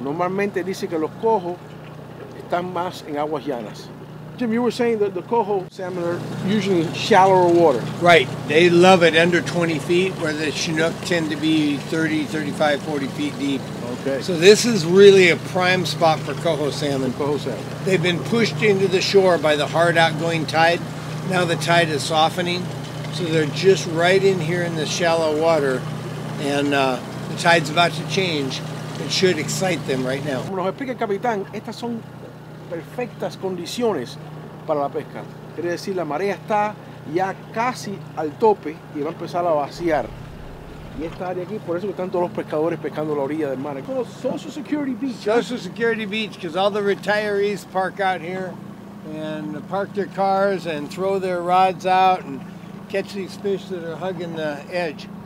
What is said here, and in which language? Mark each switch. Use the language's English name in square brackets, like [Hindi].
[Spanish] Normalmente dice que los Coho están más en aguas llanas. [English] Jim, you were saying that the Coho salmon are usually in shallower water. Right. They love it under 20 feet, where the Chinook tend to be 30, 35, 40 feet deep. Okay. So this is really a prime spot for Coho salmon. Coho salmon. They've been pushed into the shore by the hard outgoing tide. Now the tide is softening. So they're just right in here in the shallow water. And the tide's about to change. It should excite them right now. [Spanish] Como nos explica el capitán, estas son perfectas condiciones para la pesca. Quiere decir, la marea está ya casi al tope y va a empezar a vaciar. Y esta área aquí, por eso que están todos los pescadores pescando la orilla del mar. Es como Social Security Beach. [English] Social Security Beach, because all the retirees park out here and park their cars and throw their rods out and catch these fish that are hugging the edge.